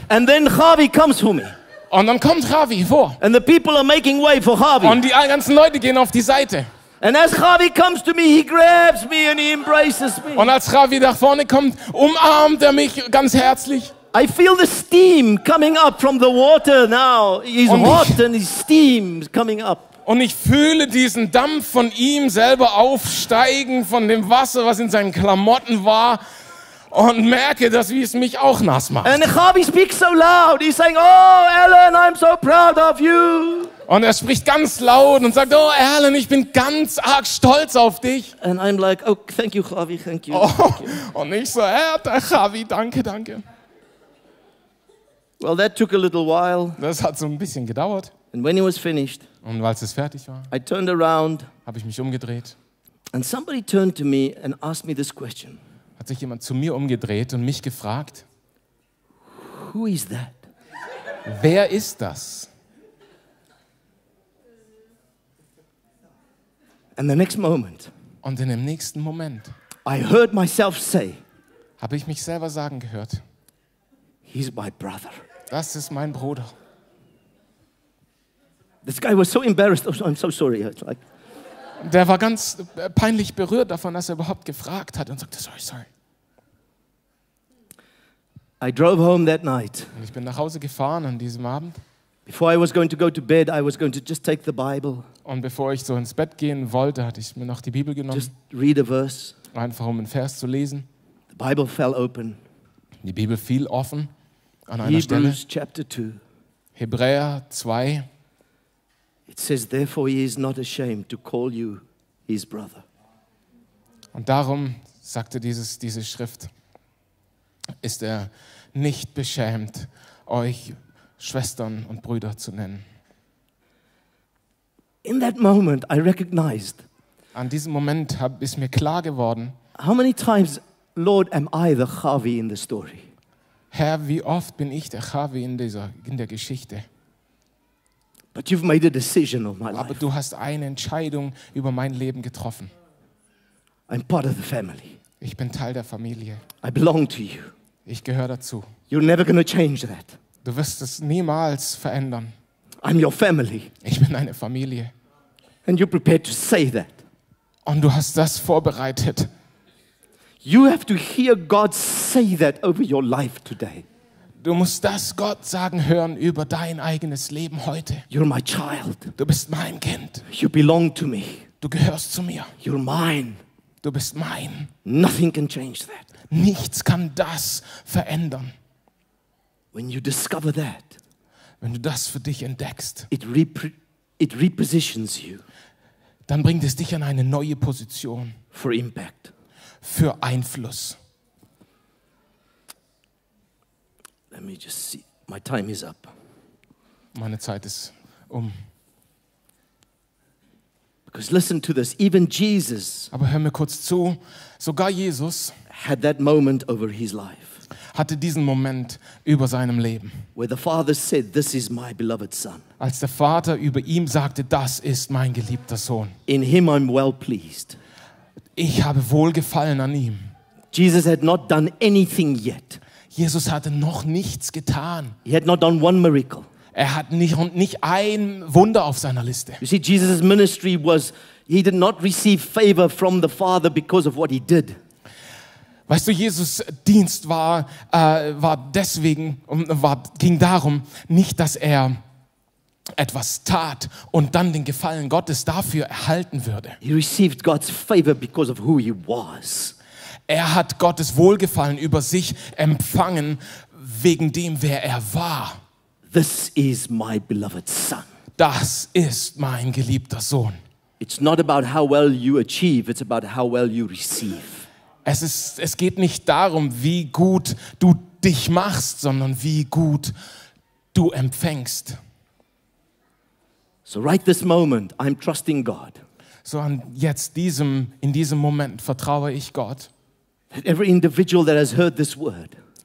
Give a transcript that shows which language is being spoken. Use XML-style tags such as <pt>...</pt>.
<en>And then Javi comes to me.</en> <de>Und dann kommt Javi vor.</de> <en>And the people are making way for Javi.</en> <de>Und die ganzen Leute gehen auf die Seite.</de> <en>And as Javi comes to me, he grabs me and he embraces me.</en> <de>Und als Javi nach vorne kommt, umarmt er mich ganz herzlich.</de> <en>I feel the steam coming up from the water now. He's hot and his steam is coming up.</en> <de>Und ich fühle diesen Dampf von ihm selber aufsteigen, von dem Wasser, was in seinen Klamotten war, und merke, dass wie es mich auch nass macht.</de> <en>And Javi speaks so loud. He's saying, oh, Alan, I'm so proud of you.</en> <de>Und er spricht ganz laut und sagt, oh, Alan, ich bin ganz arg stolz auf dich.</de> <en>And I'm like, oh, thank you, Javi, thank you.</en> <de>Und ich so, Javi, danke, danke.</de> <en>Well, that took a little while.</en> <de>Das hat so ein bisschen gedauert.</de> <en>And when he was finished,</en> <de>und als es fertig war,</de> <en>I turned around,</en> <de>habe ich mich umgedreht.</de> <en>And somebody turned to me and asked me this question.</en> <de>Hat sich jemand zu mir umgedreht und mich gefragt?</de> <en>Who is that?</en> <de>Wer ist das?</de> <en>And the next moment,</en> <de>und in dem nächsten Moment,</de> <en>I heard myself say,</en> <de>habe ich mich selber sagen gehört.</de> <en>He's my brother.</en> <de>Das ist mein Bruder.</de> <en>This guy was so embarrassed. Oh, I'm so sorry.</en> <de>Der war ganz peinlich berührt davon, dass er überhaupt gefragt hat und sagte, sorry, sorry.</de> <en>I drove home that night.</en> <de>Und ich bin nach Hause gefahren an diesem Abend.</de> <en>Before I was going to go to bed, I was going to just take the Bible.</en> <de>Und bevor ich so ins Bett gehen wollte, hatte ich mir noch die Bibel genommen.</de> <en>Just read a verse.</en> <de>Einfach um einen Vers zu lesen.</de> <en>The Bible fell open.</en> <de>Die Bibel fiel offen an einer</de> <en>Hebrews</en> <de>Stelle.</de> <en>Chapter 2.</en> <de>Hebräer 2.</de> <en>It says, therefore he is not ashamed to call you his brother.</en> <de>Und darum, sagte diese Schrift, ist er nicht beschämt, euch Schwestern und Brüder zu nennen.</de> <en>In that moment I recognized.</en> <de>An diesem Moment ist mir klar geworden.</de> <en>How many times, Lord, am I the Chavi in the story?</en> <de>Herr, wie oft bin ich der Chavi in der Geschichte?</de> <en>But you've made a decision of my life.</en> <de>Aber du hast eine Entscheidung über mein Leben getroffen.</de> <en>I'm part of the family.</en> <de>Ich bin Teil der Familie.</de> <en>I belong to you.</en> <de>Ich gehöre dazu.</de> <en>You're never gonna change that.</en> <de>Du wirst es niemals verändern.</de> <en>I'm your family.</en> <de>Ich bin deine Familie.</de> <en>And you're prepared to say that.</en> <de>Und du hast das vorbereitet.</de> <en>You have to hear God say that over your life today.</en> <de>Du musst das Gott sagen hören über dein eigenes Leben heute.</de> <en>You're my child.</en> <de>Du bist mein Kind.</de> <en>You belong to me.</en> <de>Du gehörst zu mir.</de> <en>You're mine.</en> <de>Du bist mein.</de> <en>Nothing can change that.</en> <de>Nichts kann das verändern.</de> <en>When you discover that,</en> <de>wenn du das für dich entdeckst,</de> <en>it repositions you.</en> <de>Dann bringt es dich an eine neue Position.</de> <en>For impact.</en> <de>Für Einfluss.</de> <en>Let me just see. My time is up.</en> <de>Meine Zeit ist um.</de> <en>Because listen to this, even Jesus.</en> <de>Aber hör mir kurz zu. Sogar Jesus</de> <en>had that moment over his life.</en> <de>Hatte diesen Moment über seinem Leben.</de> <en>Where the Father said, "This is my beloved son."</en> <de>Als der Vater über ihm sagte, das ist mein geliebter Sohn.</de> <en>In him I'm well pleased.</en> <de>Ich habe Wohlgefallen an ihm.</de> <en>Jesus had not done anything yet.</en> <de>Jesus hatte noch nichts getan.</de> <en>He had not done one miracle.</en> <de>Er hat nicht ein Wunder auf seiner Liste.</de> <en>You see, Jesus' ministry was, he did not receive favor from the Father because of what he did.</en> <de>Weißt du, Jesus' Dienst ging darum, nicht, dass er etwas tat und dann den Gefallen Gottes dafür erhalten würde.</de> <en>He received God's favor because of who he was.</en> <de>Er hat Gottes Wohlgefallen über sich empfangen wegen dem, wer er war.</de> <en>This is my beloved son.</en> <de>Das ist mein geliebter Sohn.</de> <en>It's not about how well you achieve, it's about how well you receive.</en> <de>Es geht nicht darum, wie gut du dich machst, sondern wie gut du empfängst.</de> <en>So right this moment, I'm trusting God.</en> <de>So an jetzt in diesem Moment vertraue ich Gott.</de> <en>That every individual that has heard this word,</en>